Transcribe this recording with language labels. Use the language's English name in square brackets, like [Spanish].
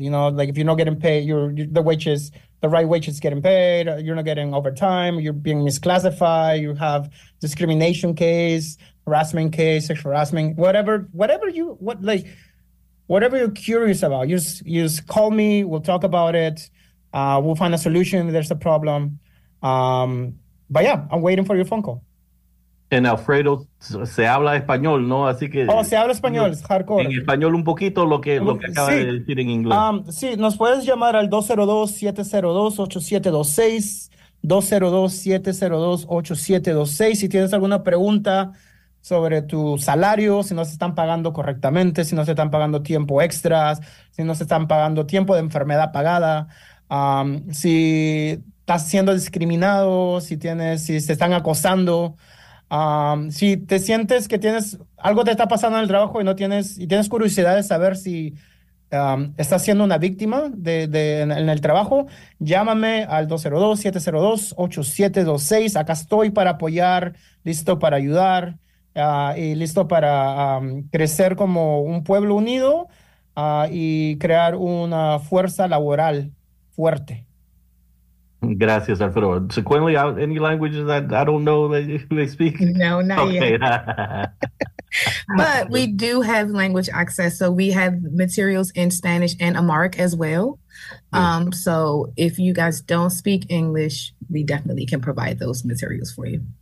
[English] You know, like if you're not getting paid, the right wage is getting paid, you're not getting overtime, you're being misclassified, you have discrimination case, harassment case, sexual harassment, whatever you're curious about, you just call me, we'll talk about it. We'll find a solution if there's a problem. But yeah, I'm waiting for your phone call. [Spanish] And Alfredo, se habla español, ¿no? Así que, se habla español, es hardcore. En español un poquito lo que acaba de decir en inglés. Sí, nos puedes llamar al 202-702-8726, 202-702-8726. Si tienes alguna pregunta sobre tu salario, si no se están pagando correctamente, si no se están pagando tiempo extras, si no se están pagando tiempo de enfermedad pagada, si estás siendo discriminado, si te están acosando, si te sientes que tienes algo te está pasando en el trabajo y tienes curiosidad de saber si estás siendo una víctima en el trabajo, llámame al 202-702-8726. Acá estoy para apoyar, listo para ayudar, y listo para crecer como un pueblo unido y crear una fuerza laboral fuerte. Gracias, Alfredo. [English] Sequently, any languages that I don't know that they speak? No, not okay. Yet. But we do have language access. So we have materials in Spanish and Amharic as well. So if you guys don't speak English, we definitely can provide those materials for you.